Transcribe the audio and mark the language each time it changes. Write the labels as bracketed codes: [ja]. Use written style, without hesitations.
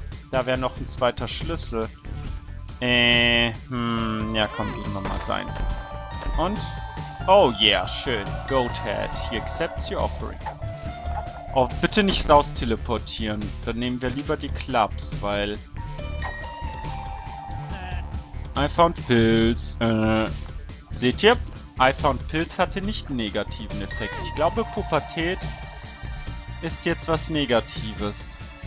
[de] Da wäre noch ein zweiter Schlüssel. Ja, komm, gehen wir mal rein. Und? [en] Oh yeah, [de] schön. [en] Goathead, he accepts your offering. [de] Oh, bitte nicht laut teleportieren. Dann nehmen wir lieber die Clubs, weil... [en] I found pills. [de] Seht ihr? I found pills hatte nicht einen negativen Effekt. Ich glaube, Pubertät ist jetzt was Negatives.